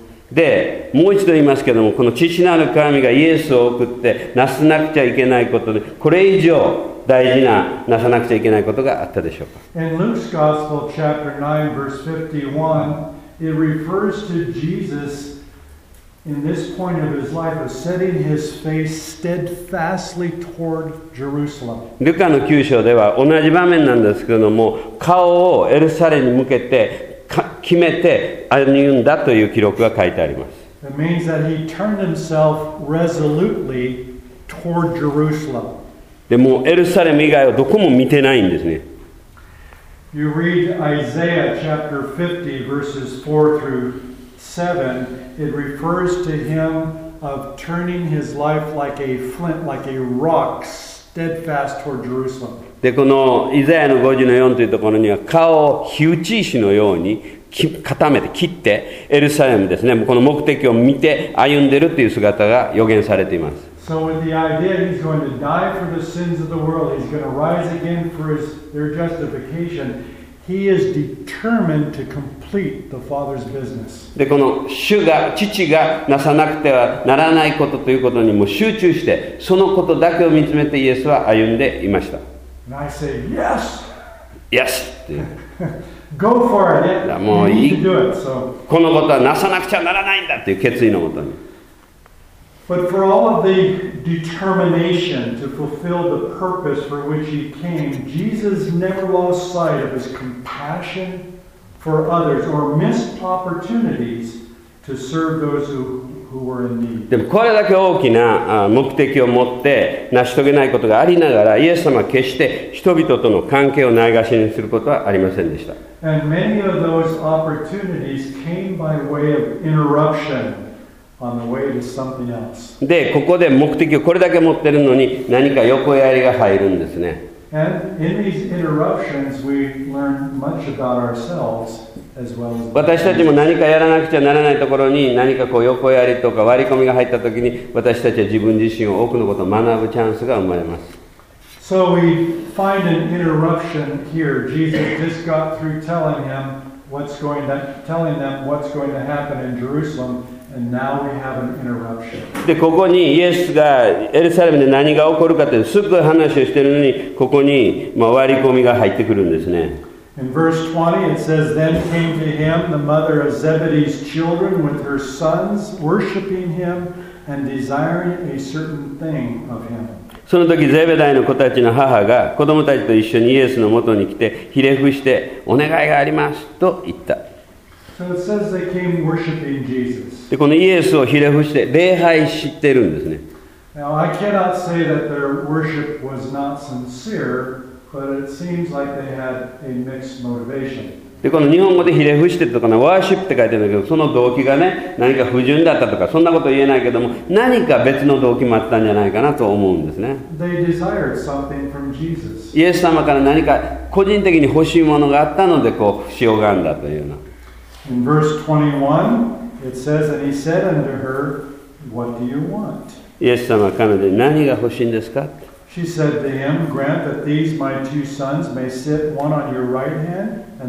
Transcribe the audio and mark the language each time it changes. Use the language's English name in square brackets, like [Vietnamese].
[Japanese] で、もう一度言いますけども、この父なる神がイエスを送ってなさなくちゃいけないことで、これ以上大事ななさなくちゃいけないことがあったでしょうか。 [English] In Luke's Gospel, chapter 9, verse 51, it refers to JesusIn this point of his life, of setting his face steadfastly toward Jerusalem. [Japanese] ルカの9章では同じ場面なんですけども、顔をエルサレムに向けて決めて歩んだという記録が書いてあります。 [English] It means that he turned himself resolutely toward Jerusalem. [Japanese] でもエルサレム以外はどこも見てないんですね。 [English] You read Isaiah chapter 50 verses 4 through 7. It refers to him of turning his life like a flint, like a rock, steadfast toward Jerusalem. [Japanese] で、このイザヤの50の4というところには、顔を火打ち石のように固めて切ってエルサレムですね、この目的を見て歩んでるという姿が予言されています。 [English] So with the idea he's going to die for the sins of the world, he's going to rise again for their justification. He is determined to complete the Father's business. [Japanese] で、この主が、父がなさなくてはならないことということにも集中して、そのことだけを見つめてイエスは歩んでいました。 [English] And I say, yes! Yes! Go for it! [Japanese] もういい。 [English] You need to do it, so. [Japanese] このことはなさなくちゃならないんだという決意のもとに。 [English] But for all of the determination to fulfill the purpose for which he came, Jesus never lost sight of his compassion for others or missed opportunities to serve those who were in need. [Japanese] でもこれだけ大きな目的を持って成し遂げないことがありながら、イエス様は決して人々との関係をないがしにすることはありませんでした。 [English] And many of those opportunities came by way of interruption. On the way to something else. [Japanese] で、ここで目的をこれだけ持ってるのに何か横やりが入るんですね。 [English] And in these interruptions, we learn much about ourselves as well as [Japanese] 私たちも何かやらなくちゃならないところに何かこう横やりとか割り込みが入った時に、私たちは自分自身を多くのことを学ぶチャンスが生まれます。 [English] So we find an interruption here. Jesus just got through telling them what's going to happen in Jerusalem. And now we have an interruption. [Japanese] で、ここにイエスがエルサレムで何が起こるかというすぐ話をしているのに、ここに割り込みが入ってくるんですね。 [English] In verse 20 it says, Then came to him the mother of Zebedee's children with her sons, worshiping him and desiring a certain thing of him. [Japanese] その時ゼベダイの子たちの母が子供たちと一緒にイエスの元に来てひれ伏してお願いがありますと言った。 [English] So it says they came worshiping Jesus. [Japanese] で、このイエスをひれ伏して礼拝してるんですね。 [English] Now, I cannot say that their worship was not sincere, but it seems like they had a mixed motivation. [Japanese] でこの日本語でひれ伏してとかね、ワーシップって書いてるんだけど、その動機がね、何か不純だったとか、そんなこと言えないけども、何か別の動機もあったんじゃないかなと思うんですね。 [English] They desired something from Jesus. [Japanese] イエス様から何か個人的に欲しいものがあったので、こう、しようがんだというの。 [English] In verse 21, it says, and he said unto her, What do you want? [Japanese] イエス様は彼女に何が欲しいんですか？ [English] She said to him, Grant that these my two sons may sit one on your right hand.